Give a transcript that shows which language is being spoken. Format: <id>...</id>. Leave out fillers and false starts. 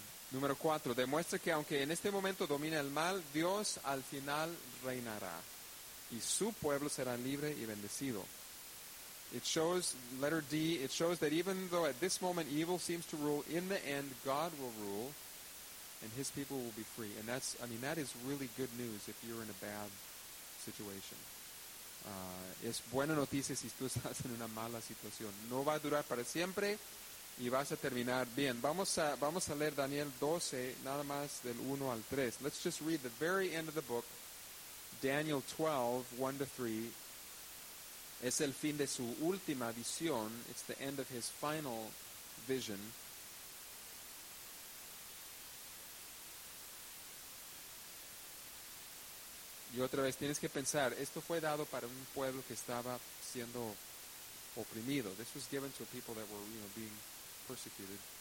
<es>Número cuatro, demuestra que aunque en este momento domina el mal, Dios al final reinará y su pueblo será libre y bendecido.</es> <en>It shows, letter D, it shows that even though at this moment evil seems to rule, in the end God will rule and his people will be free. And that's, I mean, that is really good news if you're in a bad situation.</en> <es>Es buena noticia si tú estás en una mala situación. No va a durar para siempre. Y vas a terminar bien. Vamos a leer Daniel 12, nada más del 1 al 3.</es> <en>Let's just read the very end of the book, Daniel 12, 1 to 3.</en> <es>Es el fin de su última visión.</es> <en>It's the end of his final vision.</en> <es>Y otra vez, tienes que pensar, esto fue dado para un pueblo que estaba siendo oprimido.</es> <en>This was given to people that were, you know, being persecuted.</en>